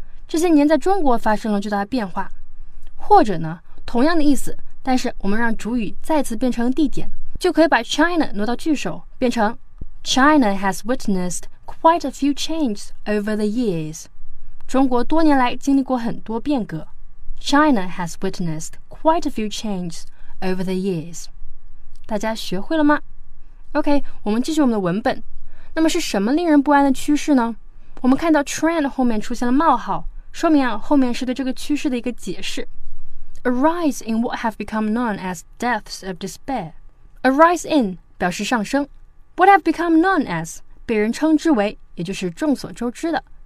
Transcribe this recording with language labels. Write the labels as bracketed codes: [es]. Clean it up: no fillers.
[zh] 这些年在中国发生了巨大的变化。或者呢，同样的意思，但是我们让主语再次变成地点，就可以把 China 挪到句首，变成 [en] China has witnessed quite a few changes over the years. [zh] 中国多年来经历过很多变革。 [en] China has witnessed quite a few changes over the years. [zh] 大家学会了吗？ [en] OK, [zh] 我们继续我们的文本。那么是什么令人不安的趋势呢？我们看到 trend 后面出现了冒号，说明啊，后面是对这个趋势的一个解释。 [en] A rise in what have become known as deaths of despair. A rise in [zh] 表示上升。 [en] What have become known as [zh] 被人称之为，也就是众所周知的。